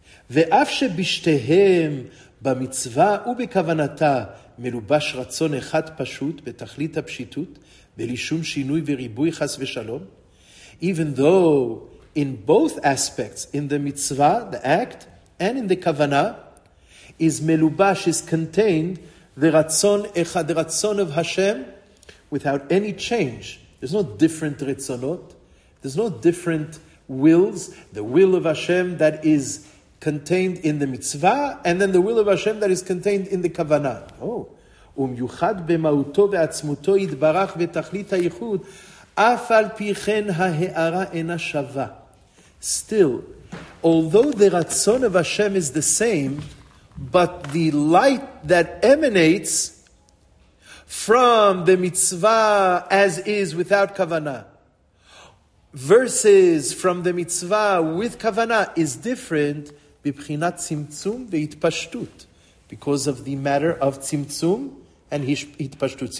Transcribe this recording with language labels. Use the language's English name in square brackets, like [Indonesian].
[Hebrew] ואף שבשתיהם במצווה ובכוונתה מלובש רצון אחד פשוט בתכלית הפשיטות בלי שום שינוי וריבוי חס ושלום, [English] even though in both aspects, in the mitzvah, the act, and in the kavana, is מלובש, is contained, the רצון אחד, the רצון of Hashem, without any change. There's no different רצונות, there's no different wills, the will of Hashem that is contained in the mitzvah, and then the will of Hashem that is contained in the kavanah. Oh. [Hebrew] ומיוחד במהותו ועצמותו יתברך ותכלית הייחוד, אף על פי כן ההערה אינה שווה. [English] Still, although the רצון of Hashem is the same, but the light that emanates from the mitzvah as is without kavana versus from the mitzvah with kavana is different [Hebrew] bibchinat tzimtzum veitpashtut, [English] because of the matter of tzimtzum and hitpashtut.